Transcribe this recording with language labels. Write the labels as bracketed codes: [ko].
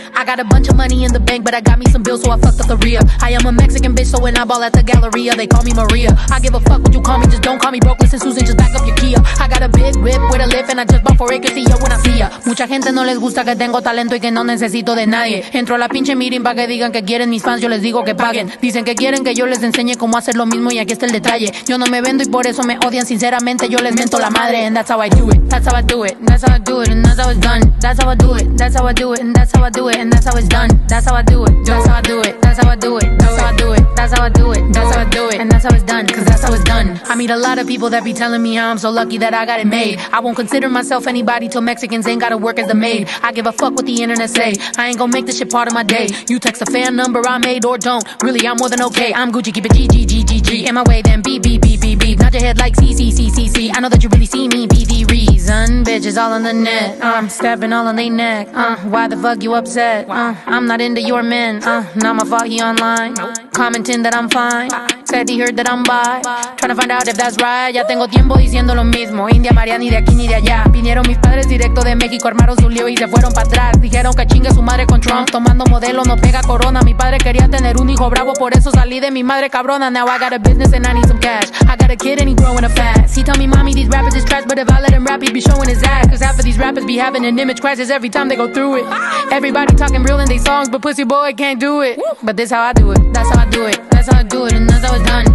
[en] got a bunch of money in the bank, but I got me some bills, so I fucked up the rear. I am a Mexican bitch, so when I ball at the Galleria, they call me Maria. I give a fuck what you call me, just don't call me broke. Listen, Susan, just back up your Kia. I got a big whip with a lift, and I just bought 4 acres, see ya when I see ya. [es] Mucha gente no les gusta que tengo talento y que no necesito de nadie. Entro a la pinche meeting pa' que digan que quieren mis fans, yo les digo que paguen. Dicen que quieren que yo les enseñe cómo hacer lo mismo, y aquí está el detalle. Yo no me vendo y por eso me odian, sinceramente, yo les miento la madre. [en] And that's how I do it, that's how I do it, that's how I do it, and that's how it's done. That's how I do it, that's how I do it, and that's how I do it, and that's how it's done. That's how I do it, that's how I do it, that's how I do it, that's how I do it, that's how I do it, that's how I do it, and that's how it's done, cause that's how it's done. I meet a lot of people that be telling me I'm so lucky that I got it made. I won't consider myself anybody till Mexicans ain't gotta work as the maid. I give a fuck what the internet say, I ain't gon' make this shit part of my day. You text a fan number I made or don't, really I'm more than okay. I'm Gucci, keep it G-G-G-G-G, in my way then B-B-B-B-B. Nod your head like C-C-C-C-C, I know that you really see me, be the reason. Bitches all on the net, I'm stepping all on they neck. Why the fuck you upset? I'm not into your men. Not my fault he online, commenting that I'm fine. Said he heard that I'm bi, trying to find out if that's right. [es] Ya tengo tiempo diciendo lo mismo, India María, ni de aquí ni de allá. Vinieron mis padres directo de México, armaron su lío y se fueron para atrás. Dijeron que chingue su madre con Trump, tomando modelo no pega corona. Mi padre quería tener un hijo bravo, por eso salí de mi madre cabrona. [en] Now I got a business and I need some cash, I got a kid and he growing up fast. He tell me mommy these rappers is trash, but if I let him rap he be showing his ass. Cause half of these rappers be having an image crisis every time they go through it. Everybody talking real in they songs, but pussy boy can't do it. But this how I do it, that's how I do it, that's how I do it, and that's how it's done.